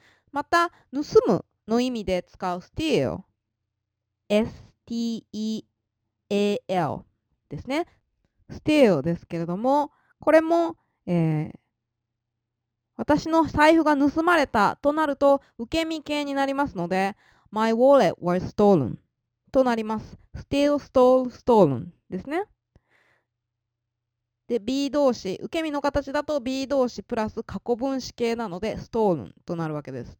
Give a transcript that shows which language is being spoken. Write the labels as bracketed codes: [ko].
[ja] また、盗むの意味で使う steal、steal ですね。 steal ですけれども、これも、私の財布が盗まれたとなると、受け身形になりますので、 [en] My wallet was stolen [ja] となります。 steal, stole, stolen ですね。で、B 動詞、受け身の形だと B 動詞プラス過去分詞形なので、ストールンとなるわけです。